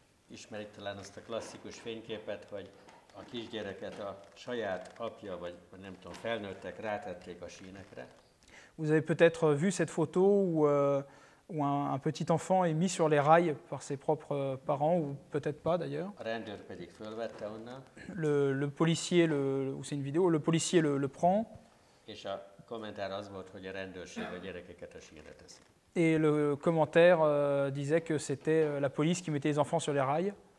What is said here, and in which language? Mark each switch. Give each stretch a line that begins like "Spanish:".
Hungarian: Ismerik talán azt a klasszikus fényképet, hogy a kisgyereket a saját apja, vagy nem tudom, felnőttek, rátették a sínekre.
French: Vous avez peut-être vu cette photo où un petit enfant est mis sur les rails par ses propres parents, ou peut-être pas d'ailleurs.
Hungarian: A rendőr pedig fölvette onnan.
French: Le policier, ou c'est une vidéo, le policier le prend.
Hungarian: És a kommentár az volt, hogy a rendőrség a gyerekeket a sínre teszi.
French: Et le commentaire disait que c'était la police qui mettait les enfants sur les rails.